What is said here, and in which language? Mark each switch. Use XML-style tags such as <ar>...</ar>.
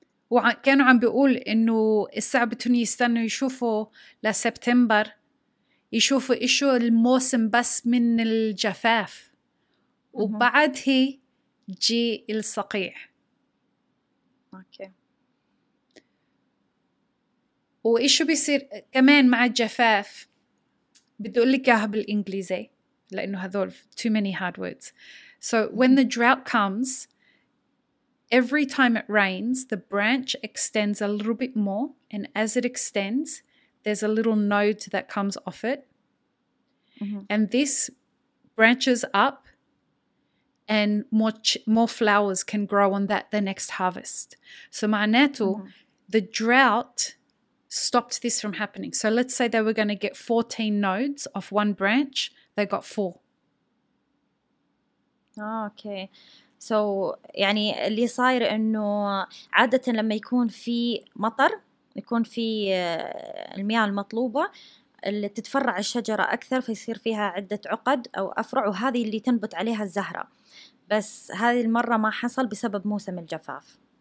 <ar>وكانوا عم بيقول إنه الصعب تني يستنوا يشوفوا لسبتمبر يشوفوا إيشو الموسم بس من الجفاف، وبعد هي جي الصقيع. وإيشو بيصير كمان مع الجفاف؟ بدي أقول لك إياها بالإنجليزي لأنه هذول</ar> <en>too many hard words. So when the drought comes, every time it rains, the branch extends a little bit more, and as it extends, there's a little node that comes off it. And this branches up, and more flowers can grow on that the next harvest. So</en> <ar>معناته,</ar> <en>the drought stopped this from happening. So let's say they were going to get 14 nodes off one branch, they got 4. Oh, okay.</en> <ar>So, يعني اللي صاير انه عادة لما يكون في مطر يكون في المياه المطلوبة اللي تتفرع الشجرة أكثر فيصير فيها عدة عقد أو أفرع وهذه اللي تنبت عليها الزهرة، بس هذه المرة ما حصل بسبب موسم الجفاف.</ar>